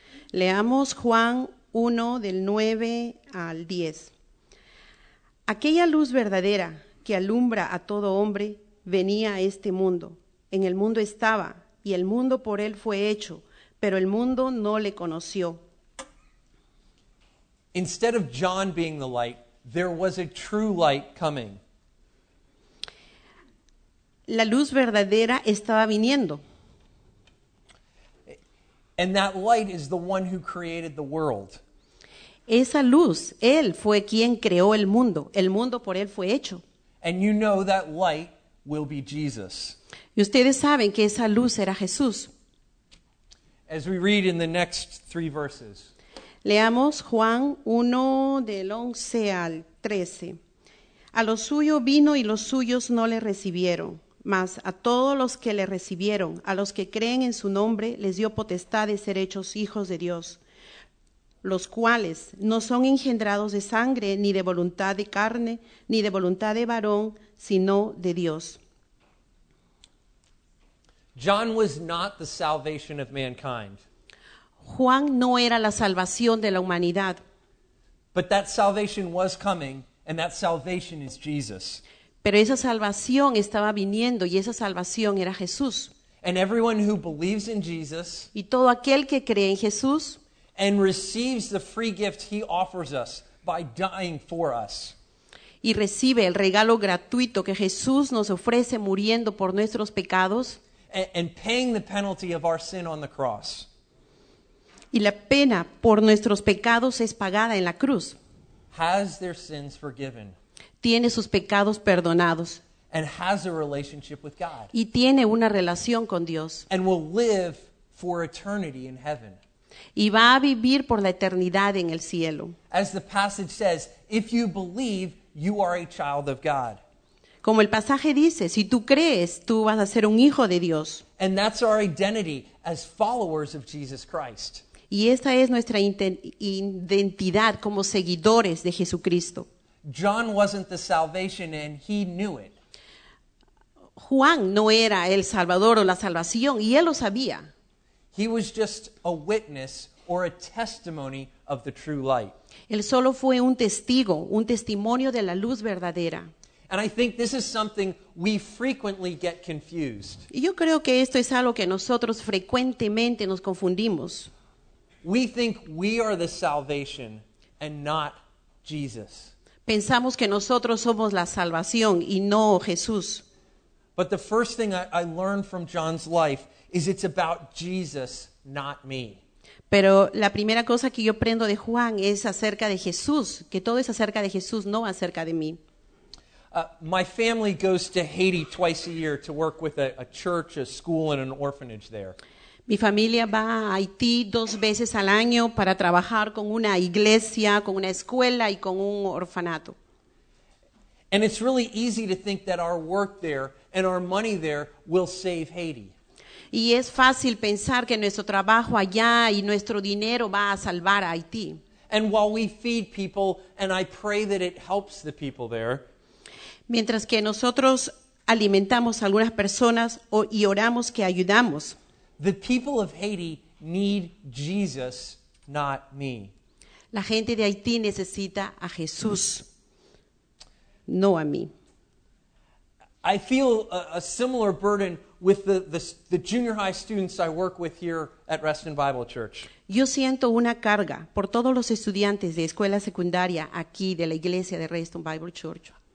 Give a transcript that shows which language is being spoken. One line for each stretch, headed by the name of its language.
Spanish: Leamos Juan 1, del 9 al 10. Aquella luz verdadera que alumbra a todo hombre, venía a este mundo. En el mundo estaba, y el mundo por él fue hecho, pero el mundo no le conoció.
English: Instead of John being the light, there was a true light coming.
Spanish: La luz verdadera estaba viniendo.
English: And that light is the one who created the world.
Spanish: Esa luz, él fue quien creó el mundo. El mundo por él fue hecho.
English: And you know that light will be Jesus.
Spanish: Y ustedes saben que esa luz era Jesús.
English: As we read in the next three verses.
Spanish: Leamos Juan 1, del 11 al 13. A lo suyo vino y los suyos no le recibieron, mas a todos los que le recibieron, a los que creen en su nombre, les dio potestad de ser hechos hijos de Dios, los cuales no son engendrados de sangre, ni de voluntad de carne, ni de voluntad de varón, sino de Dios.
English: John was not the salvation of mankind.
Spanish: Juan no era la salvación de la humanidad.
English: But that salvation was coming, and that salvation is Jesus.
Spanish: Pero esa salvación estaba viniendo, y esa salvación era Jesús.
English: And everyone who believes in Jesus,
Spanish: y todo aquel que cree en Jesús,
English: and receives the free gift he offers us by dying for us.
Spanish: Y recibe el regalo gratuito que Jesús nos ofrece muriendo por nuestros pecados.
English: And paying the penalty of our sin on the cross.
Spanish: Y la pena por nuestros pecados es pagada en la cruz.
English: Has their sins forgiven.
Spanish: Tiene sus pecados perdonados.
English: And has a relationship with God.
Spanish: Y tiene una relación con Dios.
English: And will live for eternity in heaven.
Spanish: Y va a vivir por la eternidad en el cielo.
English: As the passage says, if you believe, you are a child of God.
Spanish: Como el pasaje dice, si tú crees, tú vas a ser un hijo de Dios.
English: And that's our identity as followers of Jesus Christ.
Spanish: Y esta es nuestra identidad como seguidores de Jesucristo.
English: John wasn't the salvation and he knew it.
Spanish: Juan no era el salvador o la salvación y él lo sabía.
English: He was just a witness or a testimony of the true light.
Spanish: Él solo fue un testigo, un testimonio de la luz verdadera.
English: And I think this is something we frequently get confused.
Spanish: Yo creo que esto es algo que nosotros frecuentemente nos confundimos.
English: We think we are the salvation and not Jesus.
Spanish: Pensamos que nosotros somos la salvación y no Jesús.
English: But the first thing I learned from John's life is it's about Jesus, not me.
Spanish: Pero la primera cosa que yo aprendo de Juan es acerca de Jesús, que todo es acerca de Jesús, no acerca de mí.
English: My family goes to Haiti twice a year to work with a church, a school, and an orphanage there.
Spanish: Mi familia va a Haití dos veces al año para trabajar con una iglesia, con una escuela y con un orfanato.
English: And it's really easy to think that our work there and our money there will save Haiti.
Spanish: Y es fácil pensar que nuestro trabajo allá y nuestro dinero va a salvar a Haití.
English: And while we feed people, and I pray that it helps the people there.
Spanish: Mientras que nosotros alimentamos a algunas personas y oramos que ayudamos.
English: The people of Haiti need Jesus, not me.
Spanish: La gente de Haití necesita a Jesús, no a mí.
English: I feel a similar burden with the junior high students I work with here at Reston Bible Church.
Spanish: Yo siento una carga por todos los estudiantes de escuela secundaria aquí de la iglesia de Reston Bible Church.